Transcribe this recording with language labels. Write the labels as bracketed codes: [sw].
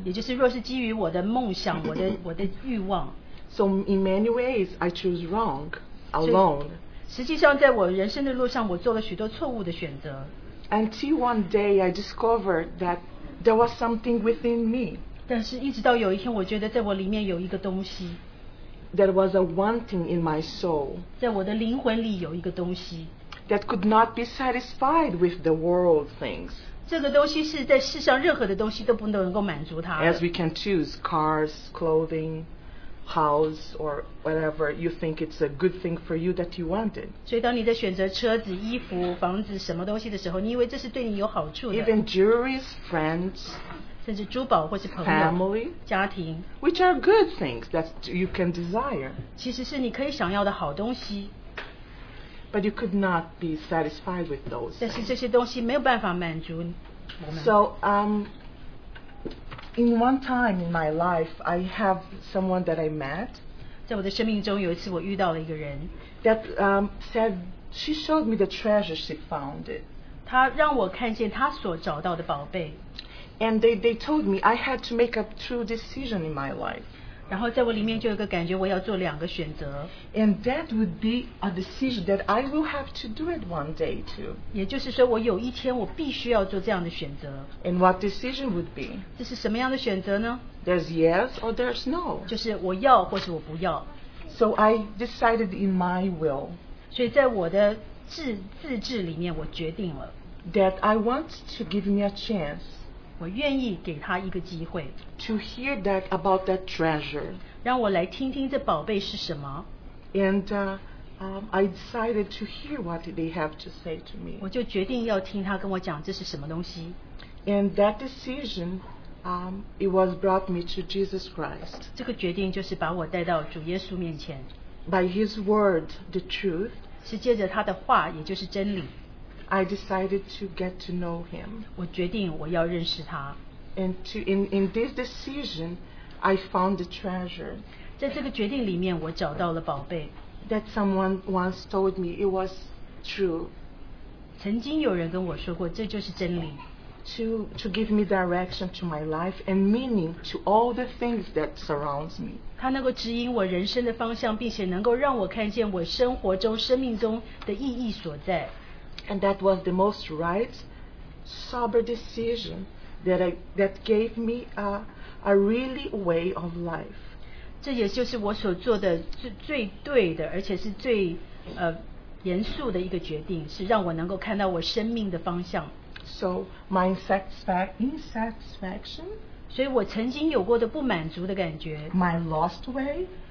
[zh] 也就是若是基于我的梦想，我的欲望。 [en] So in many ways, I choose wrong, alone. [zh] 实际上，在我人生的路上，我做了许多错误的选择。 [en] Until one day, I discovered that there was something within me. [zh] 但是一直到有一天，我觉得在我里面有一个东西。 [en] There was a wanting in my soul. [zh] 在我的灵魂里有一个东西。 [en] That could not be satisfied with the world things. [zh] 这个东西是在世上任何的东西都不能够满足它。 [en] As we can choose cars, clothing, house, or whatever you think it's a good thing for you that you wanted. [zh] 所以当你在选择车子、衣服、房子什么东西的时候，你以为这是对你有好处的。 [en] Even jewelries, friends. [zh] 甚至珠宝或是朋友 [en] Family, [zh] 家庭 [en] which are good things that you can desire [zh] 其实是你可以想要的好东西 [en] but you could not be satisfied with those [zh] 但是这些东西没有办法满足我们 [en] so in one time in my life I have someone that I met [zh] 在我的生命中有一次我遇到了一个人 [en] that said she showed me the treasure she found it [zh] 她让我看见她所找到的宝贝 [en] And they told me I had to make a true decision in my life. [zh] 然后在我里面就有一个感觉，我要做两个选择。 [en] And that would be a decision that I will have to do it one day too. [zh] 也就是说，我有一天我必须要做这样的选择。 [en] And what decision would be? [zh] 这是什么样的选择呢？ [en] There's yes or there's no. [zh] 就是我要或是我不要。 [en] So I decided in my will. [zh] 所以在我的自治里面，我决定了。 [en] That I want to give me a chance. [zh] 我愿意给他一个机会 [en] to hear that about that treasure [zh] 让我来听听这宝贝是什么 [en] and I decided to hear what they have to say to me [zh] 我就决定要听他跟我讲这是什么东西 [en] and that decision it was brought me to Jesus Christ [zh] 这个决定就是把我带到主耶稣面前 [en] by his word the truth [zh] 是借着他的话也就是真理 [en] I decided to get to know him. [zh] 我决定我要认识他。 [en] And to in this decision, I found the treasure. [zh] 在这个决定里面，我找到了宝贝。 [en] That someone once told me it was true. [zh] 曾经有人跟我说过，这就是真理。 [en] To give me direction to my life and meaning to all the things that surrounds me. [zh] 他能够指引我人生的方向，并且能够让我看见我生活中、生命中的意义所在。 [en] And that was the most right, sober decision that gave me a really way of life. [zh] 这也就是我所做的最对的，而且是最严肃的一个决定，是让我能够看到我生命的方向。 [en] So my insatisfaction. [zh] 所以我曾经有过的不满足的感觉。 [en] My lost way.